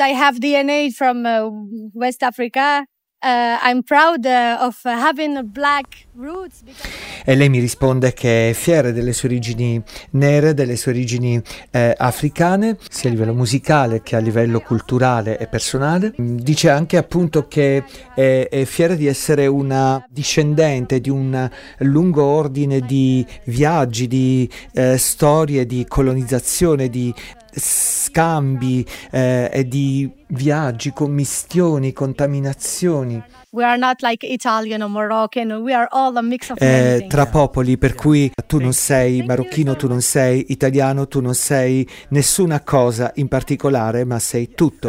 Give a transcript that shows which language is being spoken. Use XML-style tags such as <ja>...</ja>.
<en>I have DNA from West Africa. I'm proud of having black roots.</en> <it>E lei mi risponde che è fiera delle sue origini nere, delle sue origini africane, sia a livello musicale che a livello culturale e personale. Dice anche appunto che è fiera di essere una discendente di un lungo ordine di viaggi, di storie, di colonizzazione, di scambi e di viaggi, commistioni, contaminazioni.</it> <en>We are not like Italian or Moroccan, we are all a mix of many things.</en> <it>Tra popoli, per cui tu non sei marocchino, tu non sei italiano, tu non sei nessuna cosa in particolare, ma sei tutto.</it>